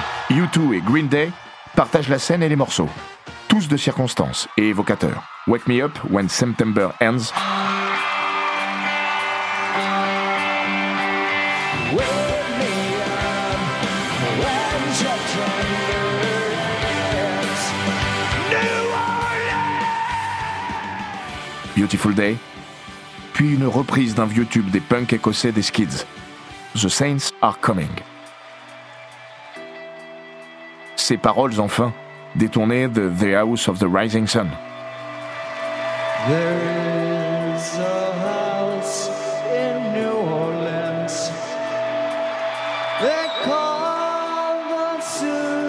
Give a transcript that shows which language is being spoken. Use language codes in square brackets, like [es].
[fr] U2 et Green Day partagent la scène et les morceaux, tous de circonstances et évocateurs. [en] Wake Me Up When September Ends. Beautiful Day. [fr] Puis une reprise d'un vieux tube des punks écossais des Skids. The Saints Are Coming. Ces paroles, enfin, détournées de The House of the Rising Sun. [en] There is a house in New Orleans. They call the Superdome.